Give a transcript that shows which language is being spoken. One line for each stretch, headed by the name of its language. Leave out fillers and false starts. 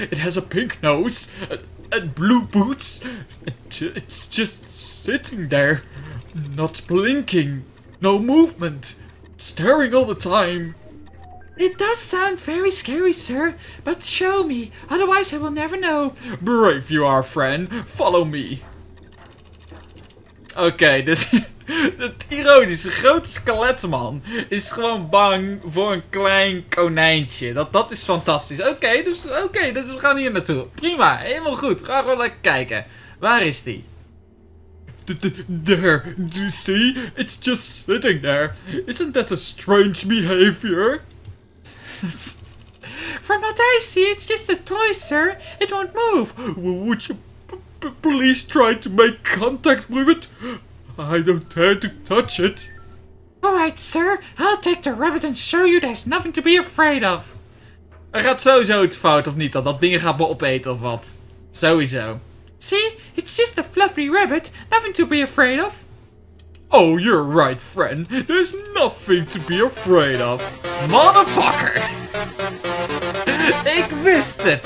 English: It has a pink nose and blue boots. It's just sitting there, not blinking, no movement, staring all the time. It does sound very scary, sir, but show me, otherwise I will never know. Brave you are, friend. Follow me.
Dutch: Oké, dus het ironische grote skeletman is gewoon bang voor een klein konijntje. Dat is fantastisch. Oké, dus we gaan hier naartoe. Prima, helemaal goed. Gaan we lekker kijken. Waar is die?
English: There, do you see? It's just sitting there. Isn't that a strange behavior? From what I see, it's just a toy, sir. It won't move. Would you... Please try to make contact with it. I don't dare to touch it. Alright, sir. I'll take the rabbit and show you there's nothing to be afraid of.
Dutch: Er gaat sowieso iets fout of niet, dat ding gaat me opeten of wat. Sowieso.
English: See? It's just a fluffy rabbit. Nothing to be afraid of. Oh, you're right, friend. There's nothing to be afraid of. Motherfucker!
Dutch: Ik wist het!